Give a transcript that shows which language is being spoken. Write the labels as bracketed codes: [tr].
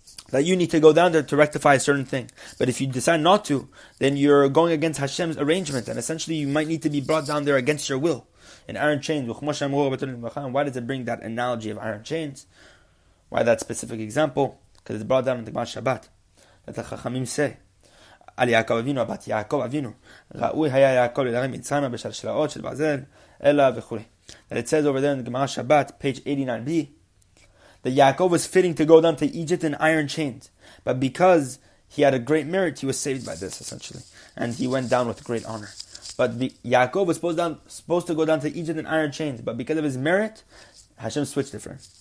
[en] That you need to go down there to rectify a certain thing. But if you decide not to, then you're going against Hashem's arrangement. And essentially you might need to be brought down there against your will. In iron chains. Why does it bring that analogy of iron chains? Why that specific example? Because it's brought down in the Gemara Shabbat. That the Chachamim say, [he] על יעקב אבינו, הבת יעקב אבינו, ראוי היה יעקב לדרי מצרימה בשלשלאות של ברזל, אלא וכו'. [en] And it says over there in the Gemara Shabbat, page 89b, that Yaakov was fitting to go down to Egypt in iron chains, but because he had a great merit, he was saved by this, essentially. And he went down with great honor. But Yaakov was supposed to go down to Egypt in iron chains, but because of his merit, Hashem switched it for him.